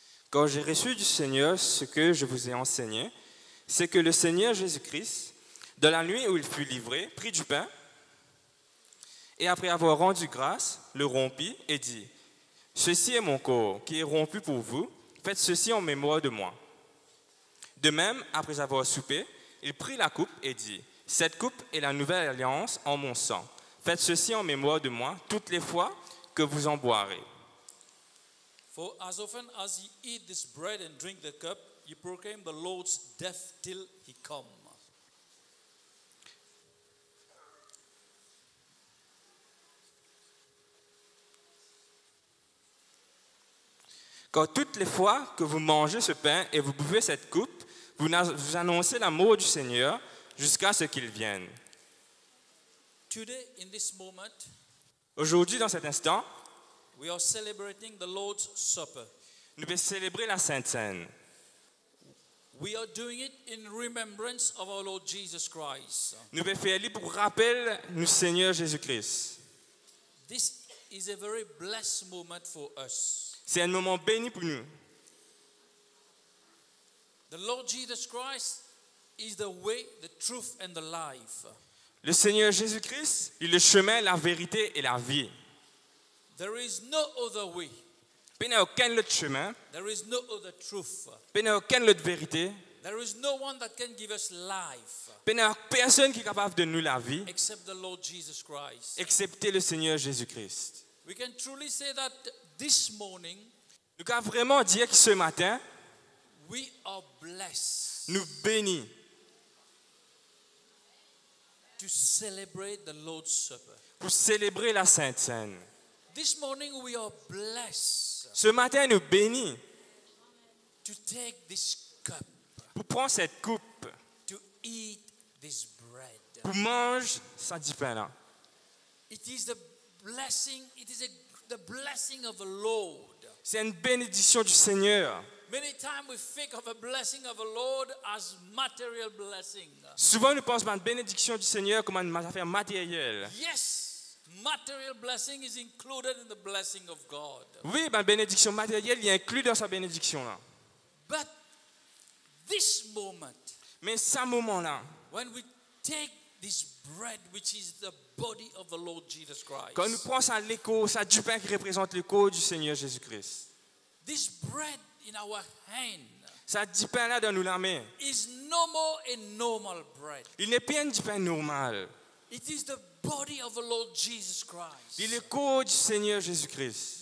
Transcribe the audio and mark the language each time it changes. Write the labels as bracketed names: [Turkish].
[French] Quand j'ai reçu du Seigneur ce que je vous ai enseigné, c'est que le Seigneur Jésus-Christ, dans la nuit où il fut livré, prit du pain et après avoir rendu grâce, le rompit et dit, « Ceci est mon corps qui est rompu pour vous, faites ceci en mémoire de moi. » De même, après avoir soupé, il prit la coupe et dit, « Cette coupe est la nouvelle alliance en mon sang. Faites ceci en mémoire de moi toutes les fois que vous en boirez. » [English] For as often as you eat this bread and drink the cup, you proclaim the Lord's death till he come. [French] Quand toutes les fois que vous mangez ce pain et vous buvez cette coupe, vous annoncez la mort du Seigneur jusqu'à ce qu'il vienne. [English] Today, in this moment, [French] aujourd'hui, dans cet instant, [English] we are celebrating the Lord's Supper. [French] Nous devons célébrer la Sainte Cène. [English] We are doing it in remembrance of our Lord Jesus Christ. [French] Nous devons faire pour rappel du Seigneur Jésus-Christ. [English] This is a very blessed moment for us. [French] C'est un moment béni pour nous. [English] The Lord Jesus Christ is the way, the truth, and the life. [French] Le Seigneur Jésus-Christ est le chemin, la vérité et la vie. [English] There is no other way. [French] Il n'y a aucun autre chemin. [English] There is no other truth. [French] Il n'y a aucune autre vérité. [English] There is no one that can give us life. [French] Il n'y a personne qui est capable de nous la vie. [English] Except the Lord Jesus Christ. [French] Excepté le Seigneur Jésus-Christ. [English] We can truly say that this morning. [French] Nous pouvons vraiment dire que ce matin. [English] We are blessed. [French] Nous bénis. [English] To celebrate the Lord's Supper. [French] Pour célébrer la Sainte Cène. [English] This morning we are blessed. [French] Ce matin nous bénis. [English] To take this cup. [French] Pour prendre cette coupe. [English] To eat this bread. [French] Pour manger ce pain là. [English] It is the blessing. It is the blessing of the Lord. [French] C'est une bénédiction du Seigneur. [English] Many times we think of a blessing of the Lord as material blessing. [French] Souvent nous pensons à une bénédiction du Seigneur comme une affaire matérielle. [English] Yes, material blessing is included in the blessing of God. [French] Oui, ma bénédiction matérielle est inclue dans sa bénédiction là. [English] But this moment. [French] Mais ce moment là. [English] When we take this bread, which is the body of the Lord Jesus Christ. [French] Quand nous prenons ça l'écho, ça du pain qui représente le corps du Seigneur Jésus Christ. [English] This bread. In our hand. [French] Ça dit pain là dans nos mains. [English] Is no more a normal bread. [French] Il n'est plus un pain normal. [English] It is the body of the Lord Jesus Christ. [French] Il est le corps du Seigneur Jésus Christ.